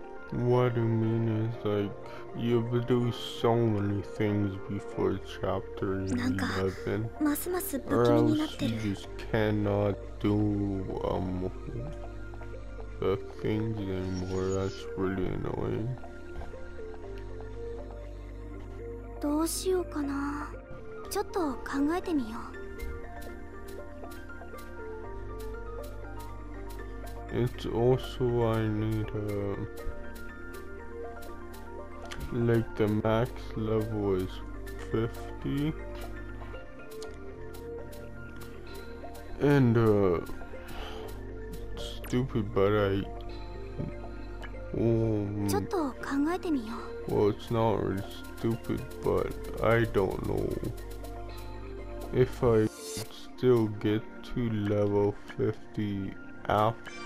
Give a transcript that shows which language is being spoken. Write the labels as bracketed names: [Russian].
[English] What I mean is, like, you have to do so many things before chapter 11. Or else you just cannot do, the things anymore. That's really annoying. [Japanese] どうしようかな、ちょっと考えてみよう。 [English] It's also I need a like the max level is 50 and stupid but I、 [Japanese] ちょっと考えてみよう。 [English] Well it's not really stupid, but I don't know if I still get to level 50 after